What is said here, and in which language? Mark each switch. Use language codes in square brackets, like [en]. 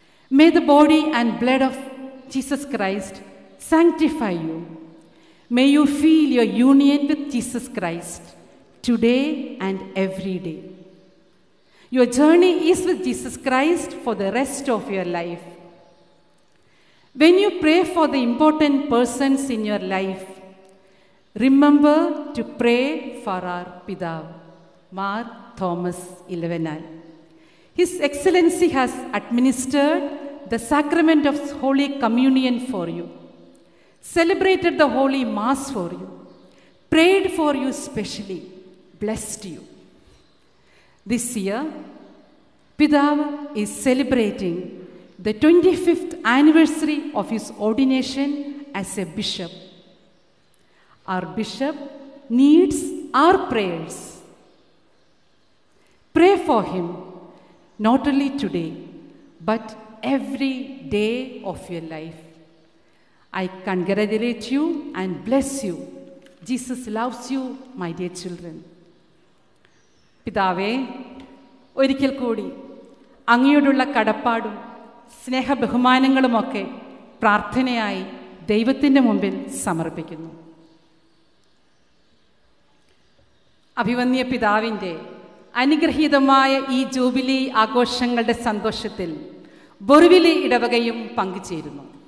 [en] May the body and blood of Jesus Christ sanctify you. May you feel your union with Jesus Christ today and every day. Your journey is with Jesus Christ for the rest of your life. When you pray for the important persons in your life, remember to pray for our Pidav, Mar Thomas Elavanal. His Excellency has administered the sacrament of Holy Communion for you, celebrated the Holy Mass for you, prayed for you specially, blessed you. This year, Pidav is celebrating the 25th anniversary of his ordination as a bishop. Our bishop needs our prayers. Pray for him, not only today, but every day of your life. I congratulate you and bless you. Jesus loves you, my dear children. [ml] Pidave, orikkal koodi angiyodulla kadappaadu സ്നേഹ ബഹുമാനങ്ങളുമൊക്കെ പ്രാർത്ഥനയായി ദൈവത്തിൻ്റെ മുമ്പിൽ സമർപ്പിക്കുന്നു. അഭിവന്ദ്യ പിതാവിൻ്റെ അനുഗ്രഹീതമായ ഈ jubilee ആഘോഷങ്ങളുടെ സന്തോഷത്തിൽ ബൊറിവിലി ഇടവകയും പങ്കുചേരുന്നു.